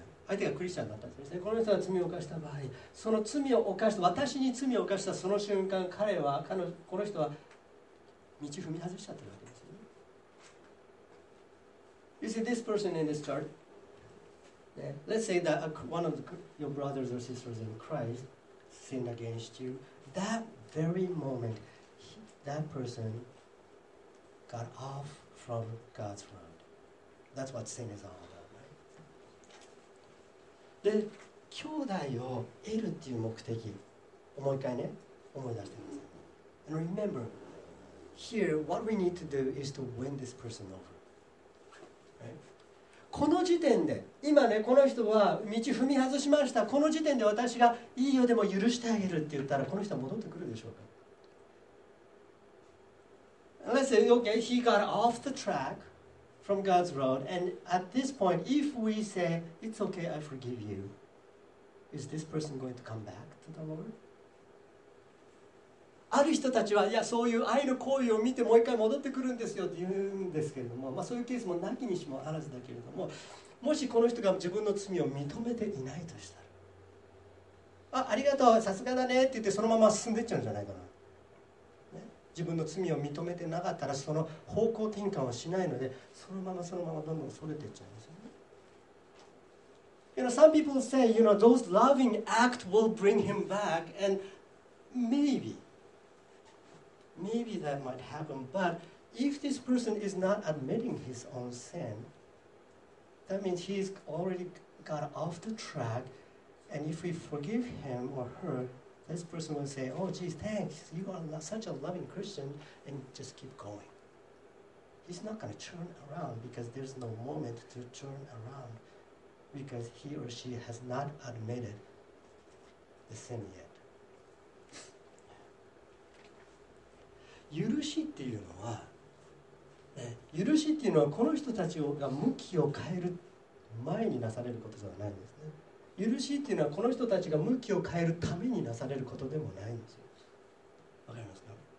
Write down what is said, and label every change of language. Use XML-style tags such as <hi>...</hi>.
<ja>この人が罪を犯した場合、その罪を犯した、私に罪を犯したその瞬間、彼は、この人は道を踏み外しちゃってるわけですよね。</ja> <en>You see this person in this chart?、Yeah. Let's say that one of your brothers or sisters in Christ sinned against you. That very moment, that person got off from God's road. That's what sin is all.</en> <ja>で、兄弟を得るっていう目的、もう一回ね、思い出してください。</ja> <en>And remember, here, what we need to do is to win this person over.、Right?</en> <ja>この時点で、今ね、この人は道踏み外しました。この時点で私がいいよでも許してあげるって言ったら、この人は戻ってくるでしょうか。</ja> <en>Let's say, okay, he got off the track. From God's road, and at this point, if we say it's okay, I forgive you, is this person going to come back to the Lord?</en> <ja>ある人たちはいや、そういう愛の行為を見てもう一回戻ってくるんですよって言うんですけれども、まあ、そういうケースもなきにしもあらずだけれども、もしこの人が自分の罪を認めていないとしたら、ありがとう、さすがだねって言ってそのまま進んでっちゃうんじゃないかな。自分の罪を認めてなかったらその方向転換をしないのでそのままどんどんそれていっちゃうんですよね。</ja> <en>You know, some people say, you know, those loving acts will bring him back and maybe that might happen. But if this person is not admitting his own sin, that means he's already got off the track and if we forgive him or herThis person will say, oh, geez, thanks. You are such a loving Christian and just keep going. He's not going to turn around because there's no moment to turn around because he or she has not admitted the sin yet.</en> <ja>許しっていうのは、ね、許しっていうのはこの人たちが向きを変える前になされることではないんですね。許しっていうのはこの人たちが向きを変えるためになされることでもないんですよ。わかりますか？</ja>